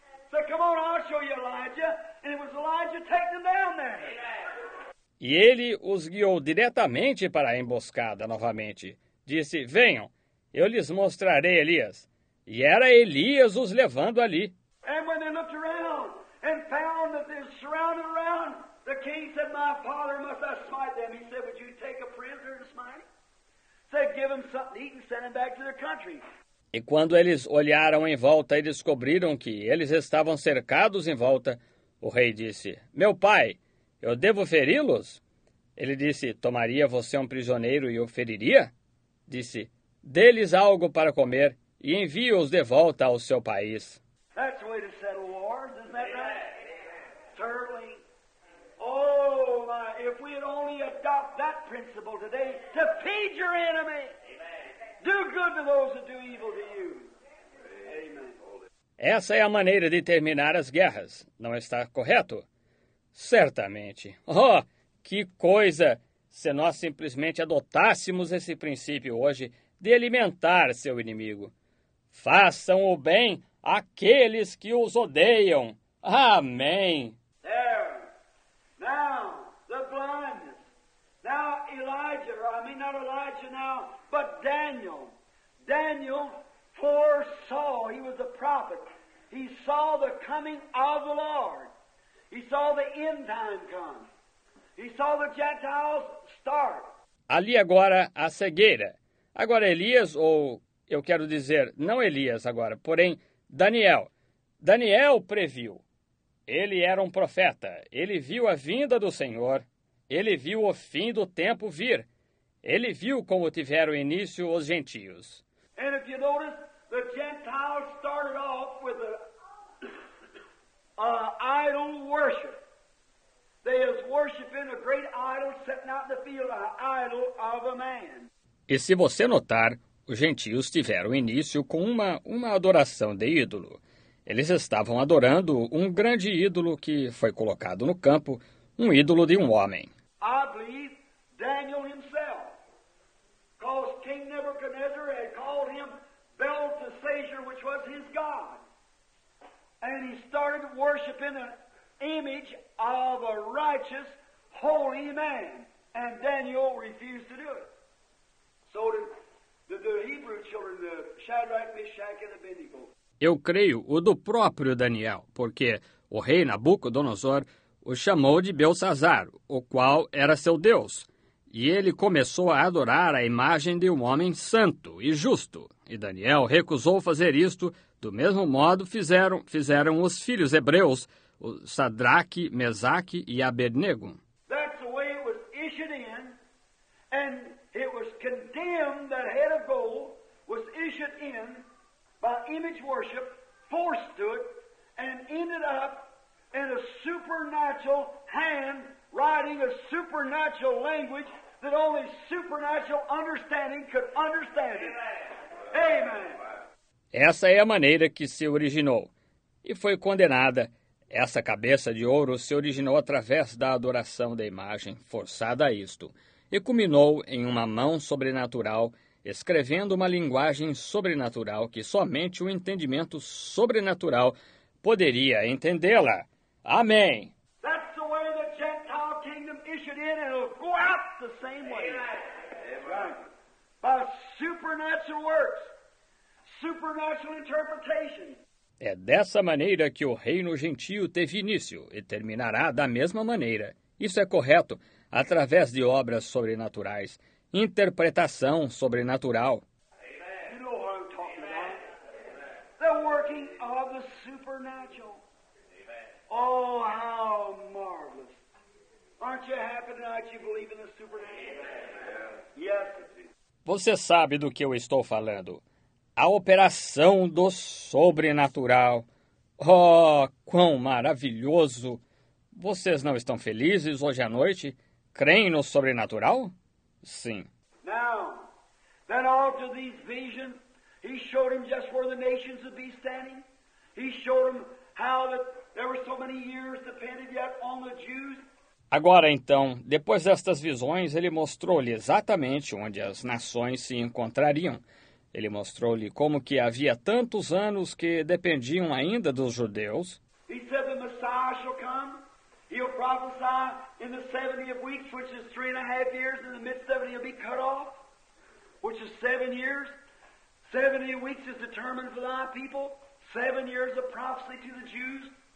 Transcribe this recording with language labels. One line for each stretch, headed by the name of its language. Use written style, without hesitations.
English: So come on, I'll show you Elijah. And it was Elijah taking them down there. Amen.
Portuguese: E ele os guiou diretamente para a emboscada novamente. Disse, venham, eu lhes mostrarei Elias. E era Elias os levando ali.
English: And when they looked around and found that they're surrounded around, the king said, my father, must I smite them? He said, would you take a prisoner and smite him? Said, give him something to eat and send him back to their country.
Portuguese: E quando eles olharam em volta e descobriram que eles estavam cercados em volta, o rei disse, meu pai, eu devo feri-los? Ele disse, tomaria você um prisioneiro e o feriria? Disse, dê-lhes algo para comer e envie-os de volta ao seu país.
English: That's the way to settle wars, isn't that right? Certainly. Oh, my, if we had only adopted that principle today, to feed your enemy. Do good to those that do evil to you. Amen.
Portuguese: Essa é a maneira de terminar as guerras. Não está correto? Certamente. Oh, que coisa se nós simplesmente adotássemos esse princípio hoje de alimentar seu inimigo. Façam o bem àqueles que os odeiam. Amém.
English: There. Now, the blindness. Now, Elijah, I mean, not Elijah now, but Daniel. Daniel foresaw, he was a prophet. He saw the coming of the Lord. He saw the end time come. He saw the Gentiles start.
Portuguese: Ali agora a cegueira. Agora Elias, ou eu quero dizer, não Elias agora, porém Daniel. Daniel previu. Ele era um profeta. Ele viu a vinda do Senhor. Ele viu o fim do tempo vir. Ele viu como tiveram início os gentios.
English: And if you notice, the Gentiles started off with an idol worship. They is worshiping a great idol sitting out in the field, an idol of a man.
Portuguese: E se você notar, os gentios tiveram início com uma adoração de ídolo. Eles estavam adorando um grande ídolo que foi colocado no campo, um ídolo de um homem.
English: I believe Daniel himself, because King Nebuchadnezzar had called him Belteshazzar, which was his god. And he started worshiping an image of a righteous, holy man. And Daniel refused to do it. So did the Hebrew children, the Shadrach, Meshach, and Abednego.
Portuguese: Eu creio o do próprio Daniel, porque o rei Nabucodonosor o chamou de Belsazar, o qual era seu Deus. E ele começou a adorar a imagem de um homem santo e justo. E Daniel recusou fazer isto, do mesmo modo fizeram os filhos hebreus, o Sadraque, Mesaque e Abednego.
English: That's the way it was issued in, and it was condemned that a head of gold was issued in by image worship, forced to it, and ended up in a supernatural hand writing a supernatural language that only supernatural understanding could understand it. Amen.
Portuguese: Essa é a maneira que se originou e foi condenada. Essa cabeça de ouro se originou através da adoração da imagem forçada a isto e culminou em uma mão sobrenatural escrevendo uma linguagem sobrenatural que somente o entendimento sobrenatural poderia entendê-la. Amém!
English: That's the way the Gentile kingdom issued in and it'll go out the same way. Amen. By supernatural works. supernatural interpretation.
Portuguese: É dessa maneira que o reino gentil teve início e terminará da mesma maneira. Isso é correto, através de obras sobrenaturais, interpretação sobrenatural.
English: Amen. You know what I'm talking Amen. About? The working of the supernatural. Amen. Oh, how marvelous. Aren't you happy tonight you believe in the supernatural? Amen. Yes.
Portuguese: Você sabe do que eu estou falando. A operação do sobrenatural. Oh, quão maravilhoso! Vocês não estão felizes hoje à noite? Creem no sobrenatural? Sim.
English: Now, then after these visions, he showed him just where the nations would be standing. He showed him how that there were so many years depended yet on the Jews.
Portuguese: Agora então, depois destas visões, ele mostrou-lhe exatamente onde as nações se encontrariam. Ele mostrou-lhe como que havia tantos anos que dependiam ainda dos judeus.
English: He said the Messiah shall come. He'll prophesy in the 70th week, which is 3.5 years, in the midst of it he'll be cut off, which is 7 years. 70 weeks is determined for thy people. 7 years of prophecy to the Jews.